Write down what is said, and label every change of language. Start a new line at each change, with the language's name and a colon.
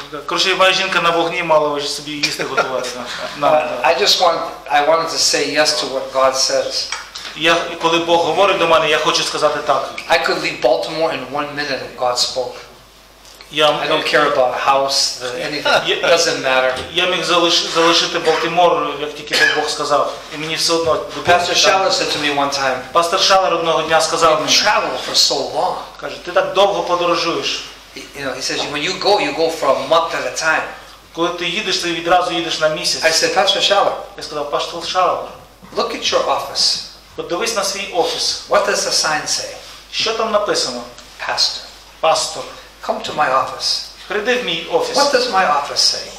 Ukrainian: Короче, моя жінка на вогні мала вже собі їсти готувати.
English: I just want, I wanted to say yes to what God says.
Ukrainian: Я, коли Бог говорить до мене, я хочу сказати так.
English: I could leave Baltimore in 1 minute if God spoke.
Ukrainian: Я,
English: I don't care about house, anything. Doesn't matter.
Ukrainian: Я міг залишити Балтимор, як тільки Бог сказав. І мені все одно.
English: Pastor Schaller said to me one time.
Ukrainian: Пастор Шалер одного дня сказав мені.
English: Travel for so long.
Ukrainian: Каже, ти так довго подорожуєш.
English: You know, he says, when you go for a month at a time.
Ukrainian: Коли ти їдеш, ти відразу їдеш на місяць.
English: I said, Pastor Schaller.
Ukrainian: Я сказав, Пастор Шалер.
English: Look at your office.
Ukrainian: Подивись на свій офіс.
English: What does the sign say?
Ukrainian: Що там написано?
English: Pastor.
Ukrainian: Пастор.
English: Come to my office.
Ukrainian: Прийди в мій офіс.
English: What does my office say?